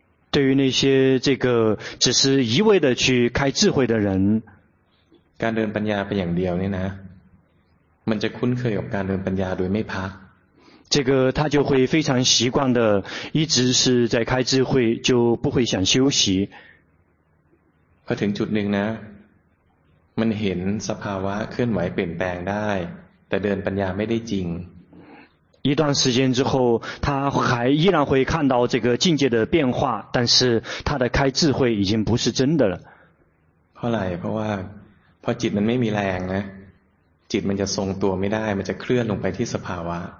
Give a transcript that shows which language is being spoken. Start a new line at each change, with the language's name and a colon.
Chinese: 对于那些这个只是一味的去开智慧的人
Thai: การเดินปัญญาไปอย่างเดียวเนี่ยนะมันจะคุ้นเคยกับการเดินปัญญาโดยไม่พัก
Chinese: 这个他就会非常习惯的一直是在开智慧就不会想休息
Thai: พอถึงจุดหนึ่งนะมันเห็นสภาวะเคลื่อนไหวเปลี่ยนแปลงได้แต่เดินปัญญาไม่ได้จริง
Chinese: 一段时间之后他还依然会看到这个境界的变化但是他的开智慧已经不是真的了
Thai: เพราะอะไรเพราะว่าพอจิตมันไม่มีแรงนะจิตมันจะทรงตัวไม่ได้มันจะเคลื่อนลงไปที่สภาวะ